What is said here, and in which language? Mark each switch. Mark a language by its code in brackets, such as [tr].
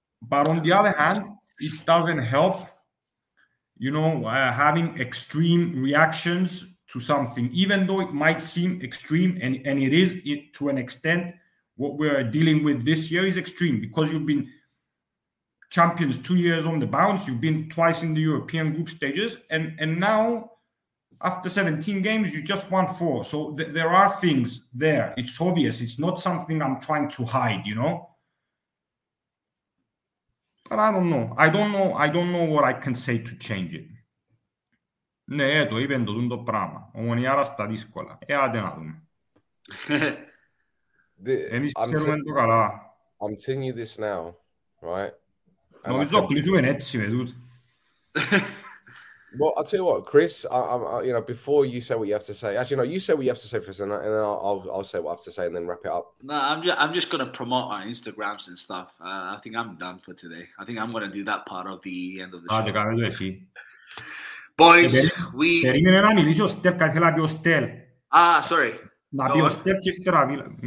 [en] But on the other hand, it doesn't help, you know, having extreme reactions to something, even though it might seem extreme, and it is it, to an extent, what we're dealing with this year is extreme, because you've been champions 2 years on the bounce, you've been twice in the European group stages, and now, after 17 games, you just won 4. So there are things there. It's obvious. It's not something I'm trying to hide, you know? But I don't know. I don't know what I can say to change it. [el] Ναι, το είπεν το δούντο πράγμα. Ομονιάρα στα δύσκολα. Άντε να δούμε. Εμείς ξέρουμε το καλά. [en] I'm telling you this now, right? And no, it's not Chris. We're not Chris, dude. Well, I'll tell you what, Chris. I, before you say what you have to say, actually, no, you say what you have to say first, and then I'll say what I have to say, and then wrap it up. No, I'm just gonna promote our Instagrams and stuff. I think I'm done for today. I think I'm gonna do that part of the end of the show. Ah, the guy, boys, we. [el] Περίμενε να μιλήσω, Στεφ, κάτι θέλω να πει ο Στεφ. [en] Ah, sorry. [el] Να πει ο Στεφ και στερά μιλά.